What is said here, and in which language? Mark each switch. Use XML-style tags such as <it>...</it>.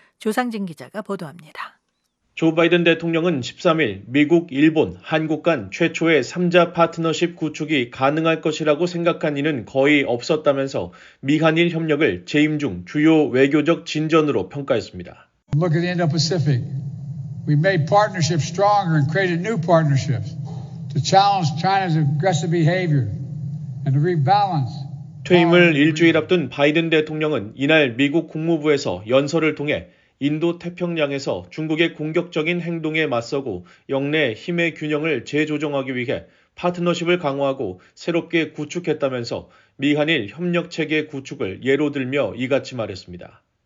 <ko>조상진 기자가 보도합니다. 조 바이든 대통령은 13일 미국, 일본, 한국 간 최초의 3자 파트너십 구축이 가능할 것이라고 생각한 일은 거의 없었다면서 미한일 협력을 재임 중 주요 외교적 진전으로 평가했습니다.</ko> <en>Look at the Indo-Pacific. We made partnerships stronger and created new partnerships to challenge China's aggressive behavior and to rebalance power</en> <ko>퇴임을 일주일</ko> <en>in the region.</en> <ko>앞둔 바이든 대통령은 이날 미국 국무부에서 연설을 통해 인도태평양에서 중국의 공격적인 행동에 맞서고 영내 힘의 균형을 재조정하기 위해 파트너십을 강화하고 새롭게 구축했다면서 미한일 협력체계 구축을 예로 들며 이같이 말했습니다.</ko>